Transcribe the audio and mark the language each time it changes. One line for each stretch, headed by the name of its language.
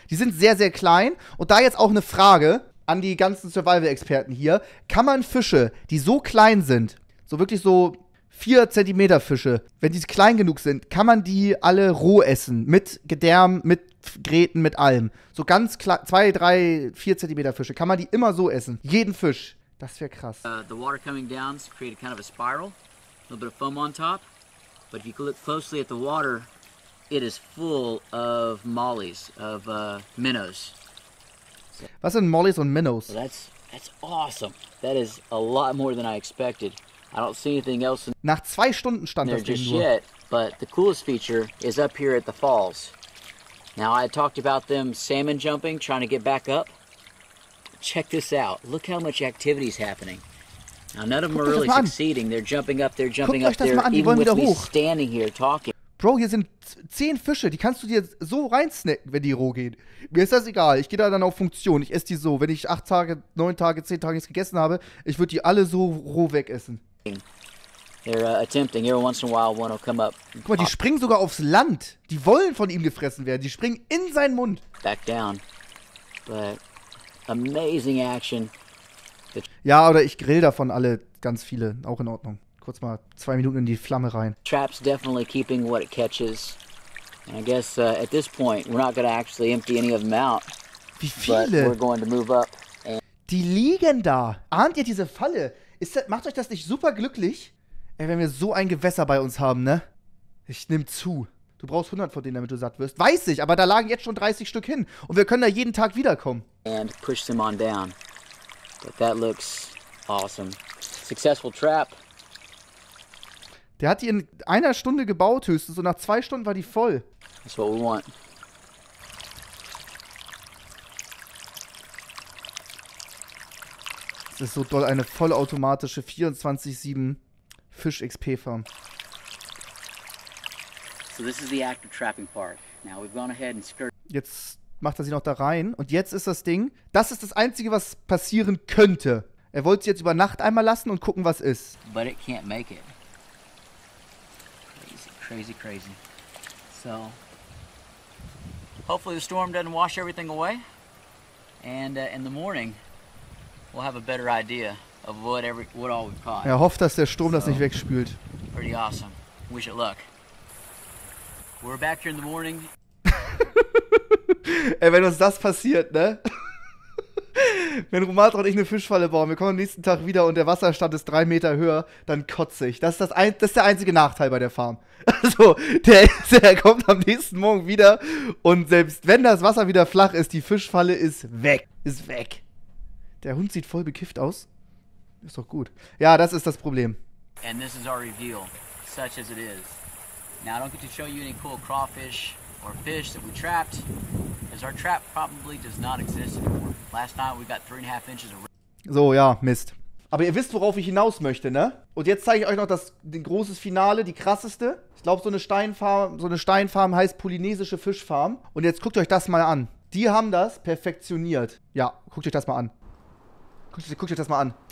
German: Die sind sehr, sehr klein. Und da jetzt auch eine Frage an die ganzen Survival-Experten hier. Kann man Fische, die so klein sind, so wirklich so 4 Zentimeter Fische, wenn die klein genug sind, kann man die alle roh essen? Mit Gedärm, mit Gräten, mit allem. So ganz klein, 2, 3, 4 Zentimeter Fische. Kann man die immer so essen? Jeden Fisch. Das wäre krass.
English: The water coming down has created kind of a spiral. A little bit of foam on top. But if you look closely at the water, it is full of mollies, of minnows.
German: Was sind mollies und minnows?
English: Well, that's awesome. That is a lot more than I expected. I don't see anything else in
German: Nach 2 Stunden stand das Ding nur.
English: But the coolest feature is up here at the falls. Now I talked about them salmon jumping, trying to get back up. Check this out. Look how much activity is happening. Now none of them are really succeeding. They're jumping up, they're jumping up there, even with me standing here talking.
German: Bro, hier sind 10 Fische. Die kannst du dir so reinsnacken, wenn die roh gehen. Mir ist das egal. Ich gehe da dann auf Funktion. Ich esse die so. Wenn ich 8 Tage, 9 Tage, 10 Tage nichts gegessen habe, ich würde die alle so roh wegessen. Guck mal, die springen sogar aufs Land. Die wollen von ihm gefressen werden. Die springen in seinen Mund.
English: Back down. But amazing action.
German: Ja, oder ich grill davon alle ganz viele. Auch in Ordnung. Kurz mal 2 Minuten in die Flamme rein.
English: Traps definitely keeping what it catches. And I guess at this point we're not gonna actually empty any of them out.
German: Wie viele?
English: But we're going to move up and
German: die liegen da. Ahnt ihr diese Falle? Ist das, macht euch das nicht super glücklich? Ey, wenn wir so ein Gewässer bei uns haben, ne? Ich nehm zu. Du brauchst 100 von denen, damit du satt wirst. Weiß ich, aber da lagen jetzt schon 30 Stück hin. Und wir können da jeden Tag wiederkommen.
English: And push them on down. But that looks awesome. Successful trap.
German: Der hat die in einer Stunde gebaut höchstens. So nach zwei Stunden war die voll.
English: That's what we want.
German: Das ist so doll, eine vollautomatische 24/7 Fisch-XP-Farm.
English: So this is the active trapping part. Now we've gone ahead and skirt.
German: Jetzt macht er sie noch da rein. Und jetzt ist das Ding, das ist das Einzige, was passieren könnte. Er wollte sie jetzt über Nacht einmal lassen und gucken, was ist.
English: But it can't make it. Crazy, crazy, crazy. So, hopefully the storm doesn't wash everything away. And in the morning, we'll have a better idea of what all we've caught.
German: Er hofft, dass der Sturm das nicht wegspült.
English: Pretty awesome. Wish it luck. We're back here in the morning.
German: Ey, wenn uns das passiert, ne? Wenn Romatra und ich eine Fischfalle bauen, wir kommen am nächsten Tag wieder und der Wasserstand ist 3 Meter höher, dann kotze ich. Das ist der einzige Nachteil bei der Farm. Also, der kommt am nächsten Morgen wieder und selbst wenn das Wasser wieder flach ist, die Fischfalle ist weg. Ist weg. Der Hund sieht voll bekifft aus. Ist doch gut. Ja, das ist das Problem.
English: And this is our reveal, such as it is. Now I don't get to show you any cool crawfish or fish that we trapped, as our trap probably does not exist anymore. Last night we got 3.5 inches of.
German: So, ja, Mist. Aber ihr wisst, worauf ich hinaus möchte, ne? Und jetzt zeige ich euch noch ein großes Finale, die krasseste. Ich glaube, so eine Steinfarm heißt polynesische Fischfarm. Und jetzt guckt euch das mal an. Die haben das perfektioniert. Ja, guckt euch das mal an. Guckt euch das mal an.